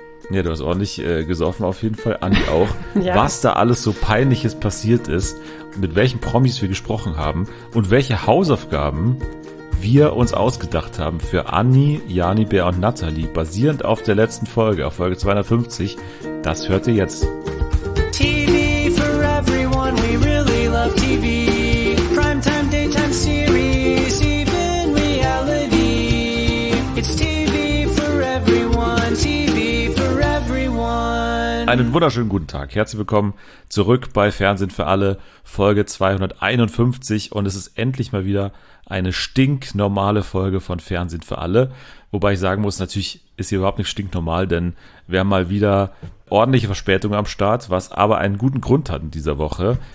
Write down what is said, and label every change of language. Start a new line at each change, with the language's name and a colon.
German: Ja, du hast ordentlich gesoffen auf jeden Fall, Andi auch. Ja. Was da alles so Peinliches passiert ist, mit welchen Promis wir gesprochen haben und welche Hausaufgaben wir uns ausgedacht haben für Andi, Jani, Bär und Nathalie, basierend auf der letzten Folge, auf Folge 250, das hört ihr jetzt.
English: TV for everyone, we really love TV. Primetime, daytime series, even reality. It's TV for everyone, TV for everyone.
German: Einen wunderschönen guten Tag. Herzlich willkommen zurück bei Fernsehen für alle, Folge 251. Und es ist endlich mal wieder eine stinknormale Folge von Fernsehen für alle. Wobei ich sagen muss, natürlich ist hier überhaupt nicht stinknormal, denn wir haben mal wieder ordentliche Verspätung am Start, was aber einen guten Grund hat in dieser Woche.